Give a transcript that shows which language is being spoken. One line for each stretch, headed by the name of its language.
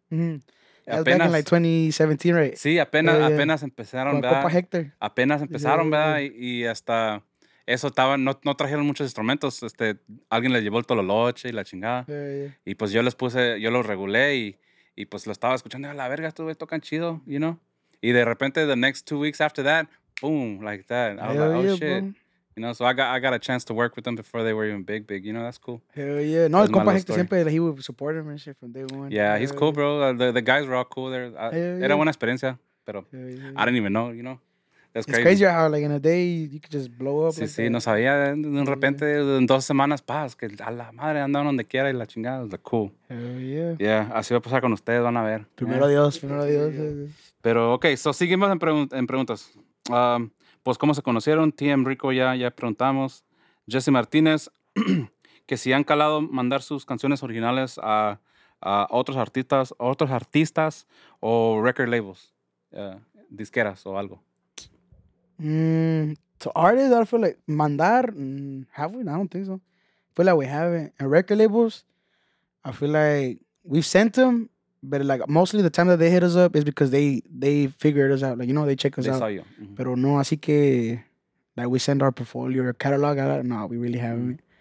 English: Uh-huh.
Spanish: Apenas,
English: back in, like, 2017, right?
Spanish: Sí, apenas empezaron, ¿verdad? Copa Hector. Apenas empezaron, ¿verdad? Y hasta... Eso estaba, no trajeron muchos instrumentos. Alguien les llevó el tololoche y la chingada.
English: Yeah, yeah.
Spanish: Y pues yo los regulé y pues lo estaba escuchando. A la verga, estuve tocando chido,
English: you know?
Spanish: Y de repente,
English: the next 2 weeks after that, boom, like that. I was hell like, oh yeah, shit. Boom. You know, so I got a chance to work with them before they were even big, you know? That's cool. Hell yeah.
Spanish: No, el compa Hector siempre,
English: like, he would support him and shit from day one. Yeah, he's cool, bro. The guys were all cool there.
Spanish: Era buena experiencia, pero
English: I didn't even know, you know? It's crazy how, like, in a day, you could just blow up.
Spanish: Sí, sí, no sabía. De repente, en 2 semanas, paz, que a la madre andaban donde quiera y la chingada.
English: It's cool. Hell yeah.
Spanish: Yeah, así va a pasar con ustedes, van a ver. Primero Dios. Pero,
English: okay, so
Spanish: seguimos en preguntas. Pues, ¿cómo se conocieron? TM Rico, ya preguntamos. Jesse Martínez, que si han calado mandar sus canciones originales a otros artistas o
English: record labels,
Spanish: disqueras o algo.
English: To artists, I feel like
Spanish: mandar,
English: have we? I don't think so. I feel like we haven't. And record labels, I feel like we've sent them, but like mostly the time that they hit us up is because they figured us out. Like, you know, they check us they out. They saw you. Mm-hmm.
Spanish: Pero no, así que,
English: like, we send our portfolio or catalog out. No, we really haven't.